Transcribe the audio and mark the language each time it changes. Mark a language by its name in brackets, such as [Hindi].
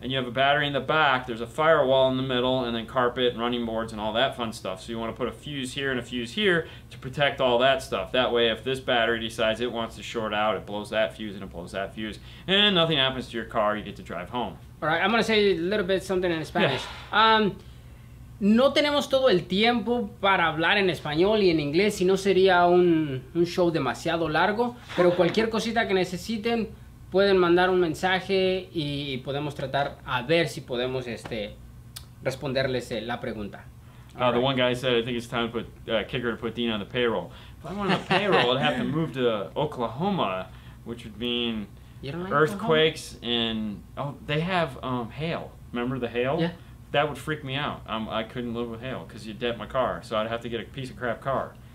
[English] and you have a battery in the back, there's a firewall in the middle, and then carpet and running boards and all that fun stuff. So you want to put a fuse here and a fuse here to protect all that stuff. That way, if this battery decides it wants to short out, it blows that fuse and it blows that fuse, and nothing happens to your car. You get to drive home. All right, I'm going to say a little bit something in Spanish. Yeah. [Spanish] No tenemos todo el tiempo para hablar en español y en inglés, si no sería un show demasiado largo, pero cualquier cosita que necesiten pueden mandar un mensaje y podemos tratar a ver si podemos responderles la pregunta. [English] Right. The one guy said, I think it's time to put Kicker to put Dean on the payroll. If I'm on the payroll, I'd have to move to Oklahoma, which would mean earthquakes and they have hail. Remember the hail? Yeah. That would freak me out. I couldn't live with hail because you'd dent my car, so I'd have to get a piece of crap car.